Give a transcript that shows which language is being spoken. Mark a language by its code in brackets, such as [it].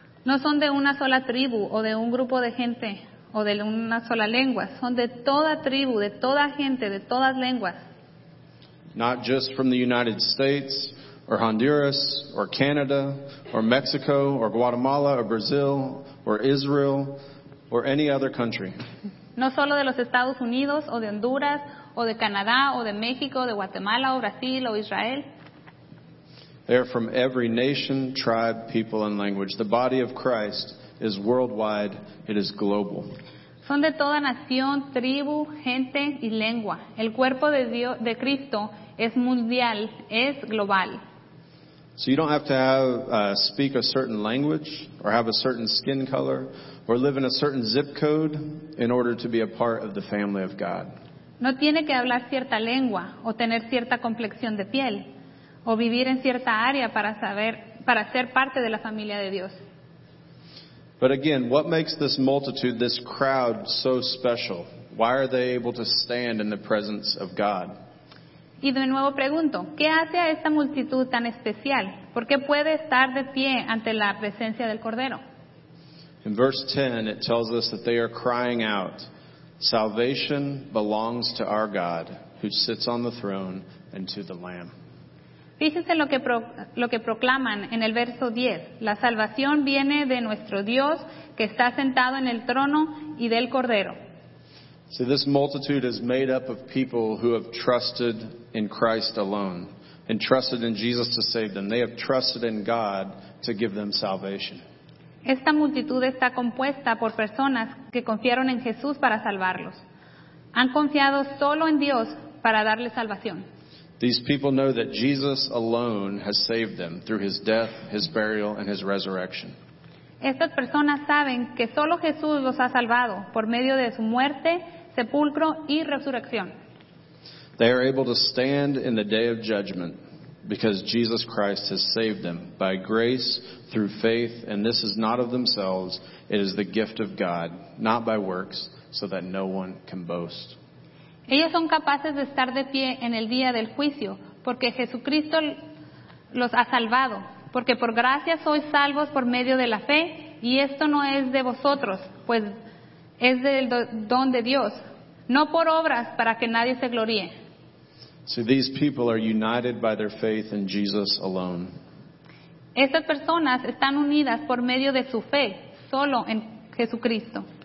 [es] No son de una sola tribu o de un grupo de gente o de una sola lengua. Son de toda tribu, de toda gente, de todas lenguas. [en] Not just from the United States or Honduras or Canada or Mexico or Guatemala or Brazil or Israel or any other country. [es] No solo de los Estados Unidos o de Honduras o de Canadá, o de México, de Guatemala, o Brasil, o Israel. [en] They are from every nation, tribe, people, and language. The body of Christ is worldwide. It is global. [es] Son de toda nación, tribu, gente, y lengua. El cuerpo de Dios, de Cristo es mundial, es global. [en] So you don't have to speak a certain language, or have a certain skin color, or live in a certain zip code in order to be a part of the family of God. [es] No tiene que hablar cierta lengua o tener cierta complexión de piel o vivir en cierta área para ser parte de la familia de Dios. [en] But again, what makes this multitude, this crowd, so special? Why are they able to stand in the presence of God? [es] Y de nuevo pregunto, ¿qué hace a esta multitud tan especial? ¿Por qué puede estar de pie ante la presencia del Cordero? [en] In verse 10, it tells us that they are crying out, "Salvation belongs to our God, who sits on the throne, and to the Lamb." [es] Fíjense lo que proclaman en el verso 10. La salvación viene de nuestro Dios, que está sentado en el trono, y del Cordero. [en] So this multitude is made up of people who have trusted in Christ alone, and trusted in Jesus to save them. They have trusted in God to give them salvation. [es] Esta multitud está compuesta por personas que confiaron en Jesús para salvarlos. Han confiado solo en Dios para darles salvación. [en] These people know that Jesus alone has saved them through his death, his burial, and his resurrection. [es] Estas personas saben que solo Jesús los ha salvado por medio de su muerte, sepulcro y resurrección. [en] They are able to stand in the day of judgment, because Jesus Christ has saved them by grace through faith, and this is not of themselves, it is the gift of God, not by works, so that no one can boast. [es] Ellos son capaces de estar de pie en el día del juicio, porque Jesucristo los ha salvado. Porque por gracia sois salvos por medio de la fe, y esto no es de vosotros, pues es del don de Dios. No por obras, para que nadie se gloríe. [en] So these people are united by their faith in Jesus alone. [es] Estas personas están unidas por medio de su fe, solo en Jesucristo.